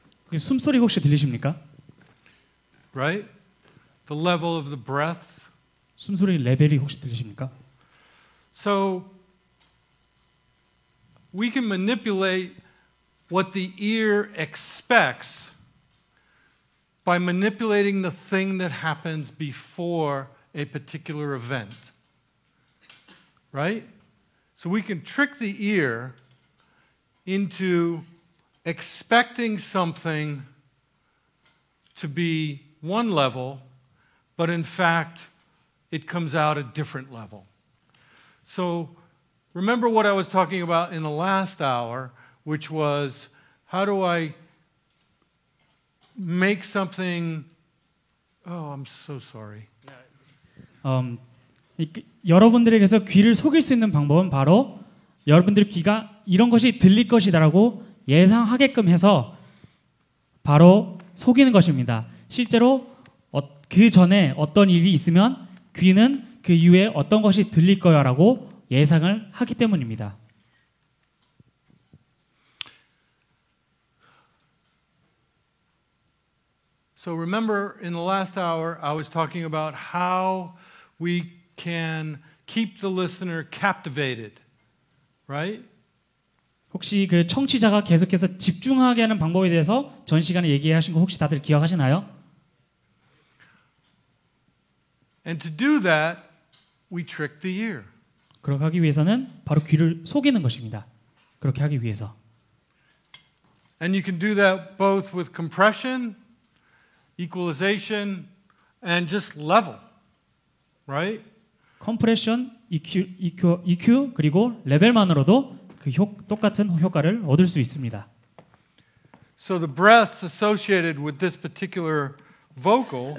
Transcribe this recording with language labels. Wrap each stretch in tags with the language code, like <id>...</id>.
<ko>이 숨소리 혹시 들리십니까?</ko> <en>Right? The level of the breaths.</en> <ko>숨소리 레벨이 혹시 들리십니까?</ko> <en>So we can manipulate what the ear expects by manipulating the thing that happens before a particular event, right? So we can trick the ear into expecting something to be one level, but in fact, it comes out a different level. So remember what I was talking about in the last hour, which was how do I make something... Oh, I'm so sorry.</en> <ko>여러분들에게서 귀를 속일 수 있는 방법은 바로 여러분들 귀가 이런 것이 들릴 것이다라고 예상하게끔 해서 바로 속이는 것입니다. 실제로 그 전에 어떤 일이 있으면 귀는 그 이후에 어떤 것이 들릴 거야라고 예상을 하기 때문입니다.</ko> <en>So remember in the last hour I was talking about how we can keep the listener captivated. Right?</en> <ko>혹시 그 청취자가 계속해서 집중하게 하는 방법에 대해서 전 시간에 얘기하신 거 혹시 다들 기억하시나요?</ko> <en>And to do that, we trick the ear.</en> <ko>그렇게 하기 위해서는 바로 귀를 속이는 것입니다. 그렇게 하기 위해서.</ko> <en>And you can do that both with compression, equalization, and just level, right?</en> <ko>컴프레션, EQ 그리고 레벨만으로도 똑같은 효과를 얻을 수 있습니다.</ko> <en>So the breaths associated with this particular vocal.</en>